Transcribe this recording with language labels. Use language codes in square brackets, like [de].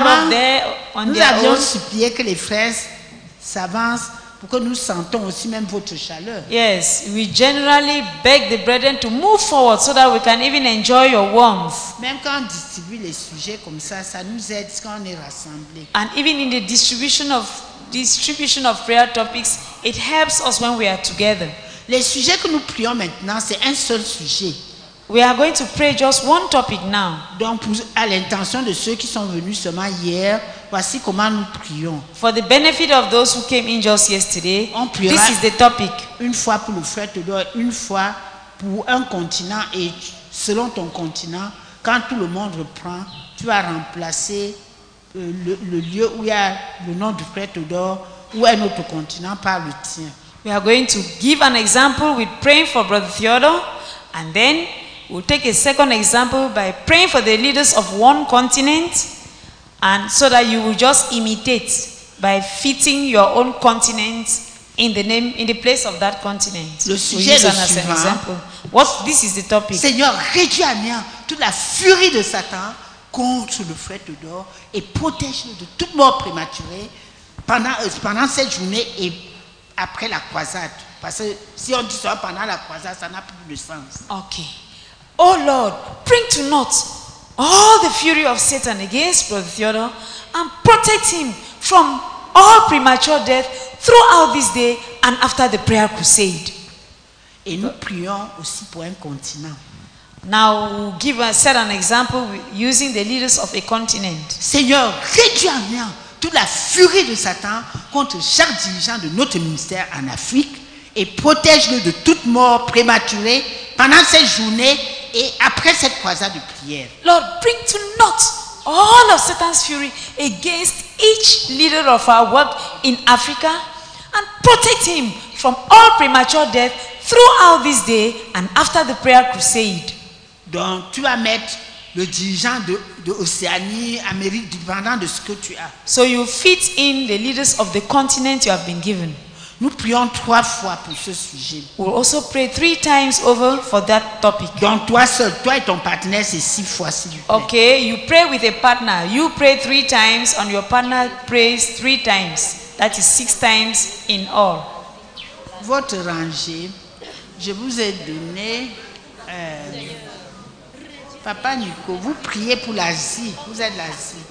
[fr] Maman, [en] up there on [fr] nous [en] their [fr] nous avions [en] own. [fr] Supplié que les frères s'avancent pour que nous sentons aussi même votre chaleur. [en] Yes, we generally beg the brethren to move forward so that we can even enjoy your warmth. [fr] Même quand on distribue les sujets comme ça, ça nous aide quand on est rassemblés. [en] And even in the distribution of prayer topics, it helps us when we are together. [fr] Les sujets que nous prions maintenant, c'est un seul sujet. [en] We are going to pray just one topic now. [fr] Donc, à l'intention de ceux qui sont venus seulement hier, voici comment nous prions. [en] For the benefit of those who came in just yesterday, [fr] on priera [en] this is the topic. [fr] Une fois pour le frère Théodore, une fois pour un continent et selon ton continent, quand tout le monde reprend, tu vas remplacer le lieu où il y a le nom du frère Théodore ou un autre continent par le tien. [en] We are going to give an example with praying for Brother Theodore. And then we'll take a second example by praying for the leaders of one continent, and so that you will just imitate by fitting your own continent in the name in the place of that continent. [fr] Le sujet [en] we'll use [fr] le [en] an example. What this is the topic. [fr] Seigneur, réduis à néant toute la furie de Satan contre le frère Théodore et protège-le de toute mort prématurée pendant cette journée et après la croisade. Parce que si on dit ça pendant la croisade, ça n'a plus de sens. [en] Okay. Oh Lord, bring to naught all the fury of Satan against Brother Theodore and protect him from all premature death throughout this day and after the prayer crusade. [fr] Et nous prions aussi pour un continent. [en] Now, we'll give a certain example using the leaders of a continent. [fr] Seigneur, réduis en rien toute la furie de Satan contre chaque dirigeant de notre ministère en Afrique. Et protège-le de toute mort prématurée pendant cette journée et après cette croisade de prière. [en] Lord, bring to naught all of Satan's fury against each leader of our work in Africa and protect him from all premature death throughout this day and after the prayer crusade. [fr] Donc, tu vas mettre le dirigeant de Océanie, Amérique, dépendant de ce que tu as. [en] So you fit in the leaders of the continent you have been given. [fr] Nous prions trois fois pour ce sujet. [en] We'll also pray three times over for that topic. [fr] Donc toi seul, toi et ton partenaire, c'est six fois s'il vous plaît. [en] Okay, you pray with a partner. You pray three times and your partner prays three times. That is six times in all. [fr] Votre rangée, je vous ai donné... Papa Nico, vous priez pour l'Asie. Vous êtes l'Asie.